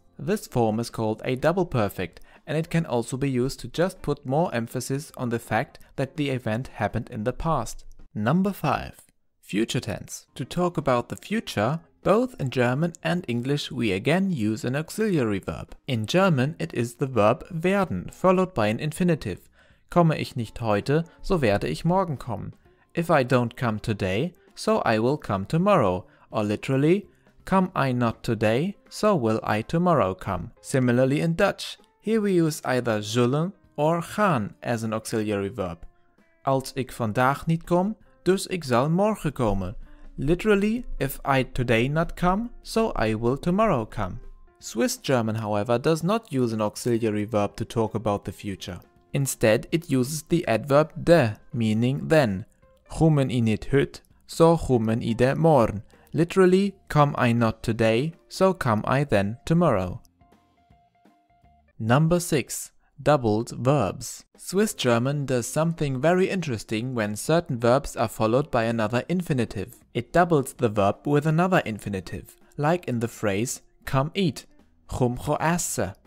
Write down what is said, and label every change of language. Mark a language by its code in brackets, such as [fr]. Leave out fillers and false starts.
[en] This form is called a double perfect, and it can also be used to just put more emphasis on the fact that the event happened in the past. Number 5. Future tense. To talk about the future, both in German and English we again use an auxiliary verb. In German it is the verb werden, followed by an infinitive. [de] Komme ich nicht heute, so werde ich morgen kommen. [en] If I don't come today, so I will come tomorrow. Or literally, come I not today, so will I tomorrow come. Similarly in Dutch, here we use either zullen or gaan as an auxiliary verb. [nl] Als ich vandaag niet kom, dus ik zal morgen komen. [en] Literally, if I today not come, so I will tomorrow come. Swiss German, however, does not use an auxiliary verb to talk about the future. Instead, it uses the adverb de, meaning then. [gsw] Kommen I nicht hüt, so kommen I de morgen. [en] Literally, come I not today, so come I then tomorrow. Number 6. Doubled verbs. Swiss German does something very interesting when certain verbs are followed by another infinitive. It doubles the verb with another infinitive, like in the phrase come eat, [gsw] chum cho esse.